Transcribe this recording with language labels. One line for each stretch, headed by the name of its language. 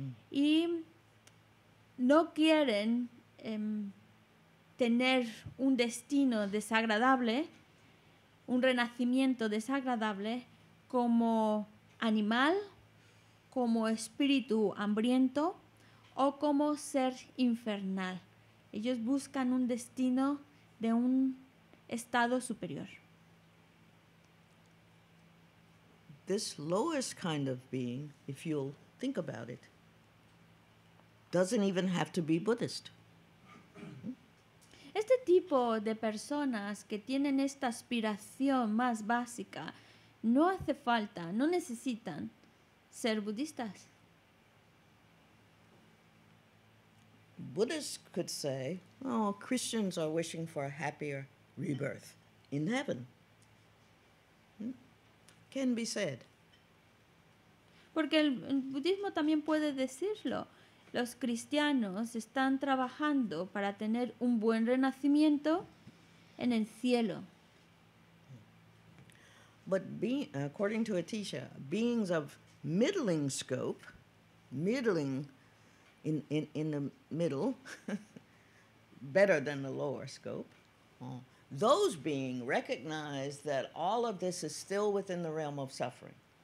Spanish: Y no quieren tener un destino desagradable, un renacimiento desagradable, como animal, como espíritu hambriento o como ser infernal. Ellos buscan un destino de un estado superior.
English: This lowest kind of being, if you'll think about it, doesn't even have to be Buddhist.
Spanish: Este tipo de personas que tienen esta aspiración más básica no hace falta, no necesitan ser budistas.
English: Buddhists could say, "Oh, Christians are wishing for a happier rebirth in heaven." Can be said.
Spanish: Porque el budismo también puede decirlo. Los cristianos están trabajando para tener un buen renacimiento en el cielo.
English: But according to Atisha, beings of middling scope, middling in the middle, better than the lower scope, those beings recognize that all of this is still within the realm of suffering.